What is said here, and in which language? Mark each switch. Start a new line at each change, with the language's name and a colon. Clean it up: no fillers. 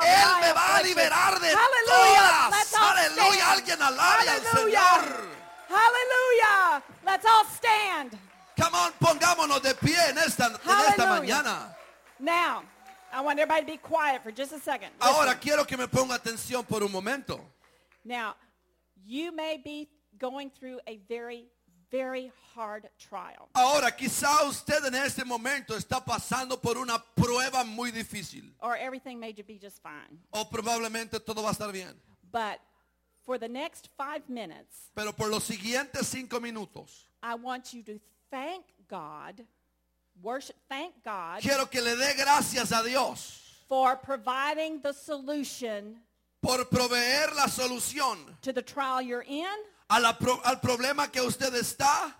Spanish: Él me va a liberar de todas.
English: Hallelujah!
Spanish: Alguien alabe al Señor. Hallelujah!
English: Let's all stand. Come on,
Spanish: pongámonos de pie en esta mañana.
English: Now, I want everybody to be quiet for just a second. Listen.
Spanish: Ahora quiero que me ponga atención por un momento.
English: Now, you may be going through a very, very hard trial.
Spanish: Ahora, quizá usted en este momento está pasando por una prueba muy difícil.
English: Or everything may be just fine.
Spanish: O probablemente todo va a estar bien.
English: But for the next 5 minutes,
Spanish: pero por los siguientes 5 minutos,
English: I want you to thank God, worship, thank God,
Spanish: quiero que le dé gracias a Dios,
English: for providing the solution,
Spanish: por proveer la solución,
English: to the trial you're in,
Spanish: al problema que usted está,